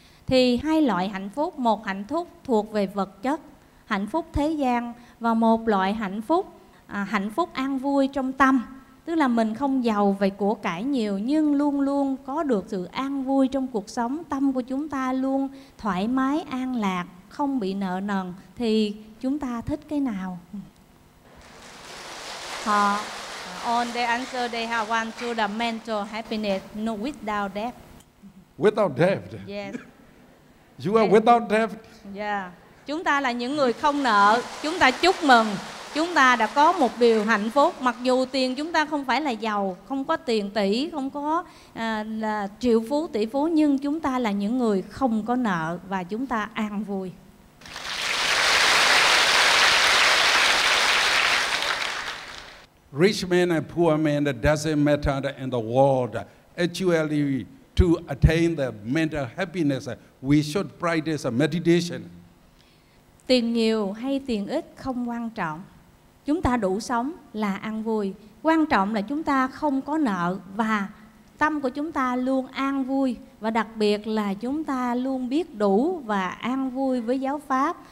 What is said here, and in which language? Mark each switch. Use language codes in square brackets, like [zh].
[vi] Thì hai loại hạnh phúc, một hạnh phúc thuộc về vật chất, hạnh phúc thế gian, và một loại hạnh phúc an vui trong tâm. Tức là mình không giàu về của cải nhiều, nhưng luôn luôn có được sự an vui trong cuộc sống, tâm của chúng ta luôn thoải mái, an lạc, không bị nợ nần. Thì chúng ta thích cái nào? [en] On the answer, they have one to the mental happiness, no without debt. Without debt. Yes. You are without debt. Yeah. [vi] Chúng ta là những người không nợ. Chúng ta chúc mừng. Chúng ta đã có một điều hạnh phúc. Mặc dù tiền chúng ta không phải là giàu, không có tiền tỷ, không có là triệu phú, tỷ phú, nhưng chúng ta là những người không có nợ và chúng ta an vui. [en] Rich man and poor man doesn't matter in the world. Actually, to attain the mental happiness, we should practice meditation. [vi] Tiền nhiều hay tiền ít không quan trọng. Chúng ta đủ sống là an vui. Quan trọng là chúng ta không có nợ và tâm của chúng ta luôn an vui. Và đặc biệt là chúng ta luôn biết đủ và an vui với giáo pháp.